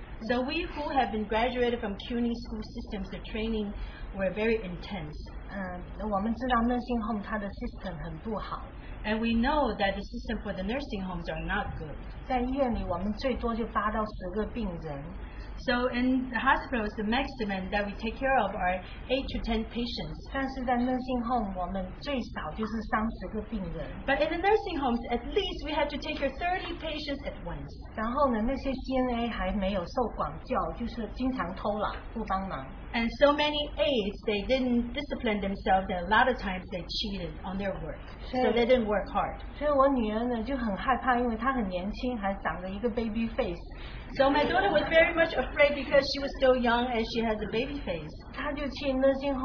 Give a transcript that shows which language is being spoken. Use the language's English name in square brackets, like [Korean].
[English] So we who have been graduated from CUNY school systems, the training were very intense. [Chinese] 我们知道 nursing home 它的 system 很不好, [English] and we know that the system for the nursing homes are not good. [Chinese] 在医院里，我们最多就8到10个病人. [English] So in the hospitals, the maximum that we take care of are 8 to 10 patients. [Chinese] 但是在nursing home，我们最少就是30个病人. [English] But in the nursing homes, at least we have to take care of 30 patients at once. [Chinese] 然后呢，那些CNA还没有受管教，就是经常偷懒不帮忙. [English] And so many aides, they didn't discipline themselves, and a lot of times they cheated on their work. So they didn't work hard. [Chinese] 所以我女儿呢就很害怕，因为她很年轻，还长着一个 [English] baby face. So my daughter was very much afraid because she was still young and she has a baby face.